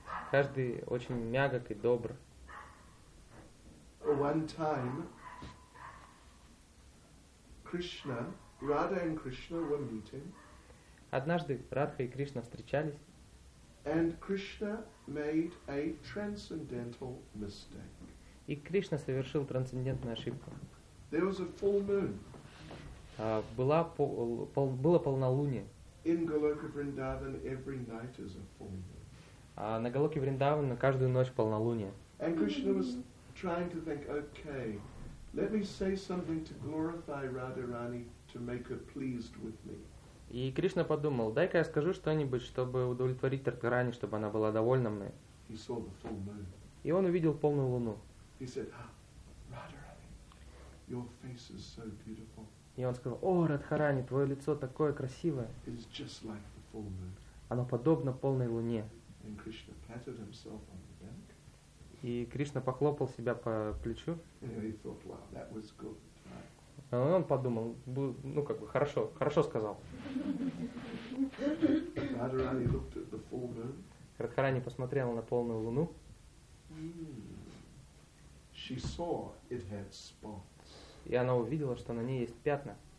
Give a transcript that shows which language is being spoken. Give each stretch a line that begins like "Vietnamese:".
Russian: Каждый очень мягок и добр.
English: One time Krishna, Radha and Krishna were meeting.
Russian: Однажды Радха и Кришна встречались.
English: And Krishna made a transcendental mistake.
Russian: И Кришна совершил трансцендентную ошибку.
English: There was a full moon.
Russian: Было полнолуние.
English: In Goloka Vrindavan, every night is a full moon.
Russian: На Голоке Вриндавана каждую ночь полнолуние.
English: And Krishna was trying to think, okay, let me say something to glorify Radharani to make her pleased with me.
Russian: И Кришна подумал, дай-ка я скажу что-нибудь, чтобы удовлетворить Радхарани, чтобы она была довольна мной.
English: He saw the full moon.
Russian: И он увидел полную луну.
English: He said, ah, Radharani, your face is so beautiful.
Russian: И он сказал, о, Радхарани, твое лицо такое красивое.
English: It's just like the full moon.
Russian: Оно подобно полной луне.
English: And Krishna patted himself on the back.
Russian: И Кришна похлопал себя по плечу.
English: And he thought, wow, that was good, right?
Russian: И он подумал, ну как бы хорошо, хорошо сказал.
English: Радхарани looked at the full moon.
Russian: Радхарани посмотрела на полную луну.
English: She saw it had spots.
Russian: И она увидела, что на ней есть пятна.